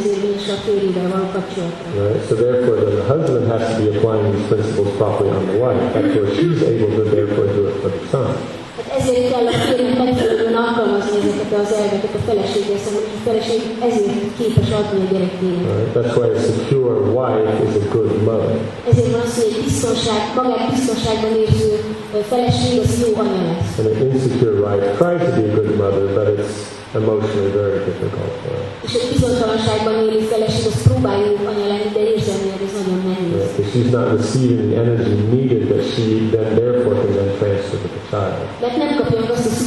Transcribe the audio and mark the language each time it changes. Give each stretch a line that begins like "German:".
English: Right? So therefore, then the husband has to be applying these principles properly on the wife. That's where she's able to therefore do it for the son.
Hungarian: Ezért kell a férjnek megfelelően alkalmazni ezeket az elveket a felesége számára, a feleség ezért képes adni a gyerekének.
English: Right. That's why a secure wife is a good mother.
Hungarian: Ezért van az, hogy biztonság, magát biztonságban érző feleség az jó anya lesz.
English: And an insecure wife tries to be a good mother, but it's emotionally very difficult for her.
Hungarian: És egy bizonytalanságban élő feleség az próbálja jó anya lenni, de érzelmileg ez nagyon nehéz.
English: She's not receiving the energy needed that she then therefore can then transfer to the child.